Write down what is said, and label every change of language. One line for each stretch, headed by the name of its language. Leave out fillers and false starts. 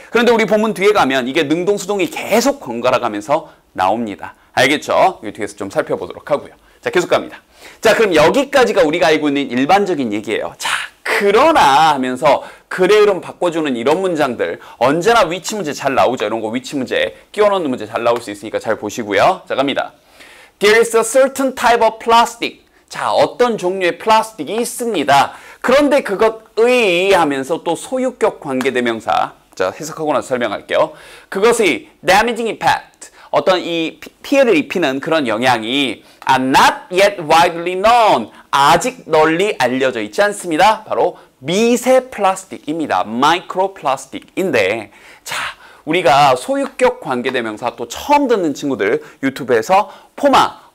Korean: 그런데 우리 본문 뒤에 가면 이게 능동수동이 계속 번갈아가면서 나옵니다. 알겠죠? 이 뒤에서 좀 살펴보도록 하고요. 자, 계속 갑니다. 자, 그럼 여기까지가 우리가 알고 있는 일반적인 얘기예요. 자, 그러나 하면서 그래 이름 바꿔주는 이런 문장들 언제나 위치 문제 잘 나오죠. 이런 거 위치 문제 끼워넣는 문제 잘 나올 수 있으니까 잘 보시고요. 자, 갑니다.
English: There is a certain type of plastic.
Korean: 자, 어떤 종류의 플라스틱이 있습니다. 그런데 그것의 하면서 또 소유격 관계대명사. 자, 해석하고 나서 설명할게요. 그것의
English: damaging impact.
Korean: 어떤 이 피해를 입히는 그런 영향이
English: not yet widely known.
Korean: 아직 널리 알려져 있지 않습니다. 바로 미세 플라스틱입니다. 마이크로 플라스틱인데. 자, 우리가 소유격 관계대명사 또 처음 듣는 친구들 유튜브에서 포마.